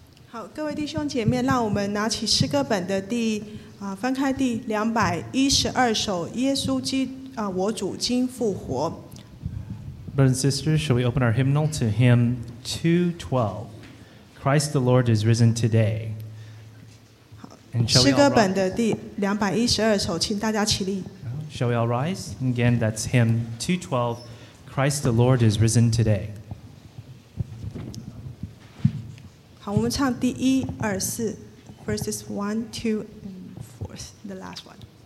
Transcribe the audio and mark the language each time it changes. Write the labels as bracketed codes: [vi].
[zh] 好，各位弟兄姐妹，让我们拿起诗歌本的翻开第212首《耶稣基督》我主今复活。 [en] Brothers and sisters, shall we open our hymnal to hymn 212, Christ the Lord is risen today. [zh] 诗歌本的第212首，请大家起立。 [en] Shall we all rise? Again, that's hymn 212, Christ the Lord is risen today. [zh] 好，我们唱第一、二、四 ， [en] verses 1, 2, and 4th, the last one.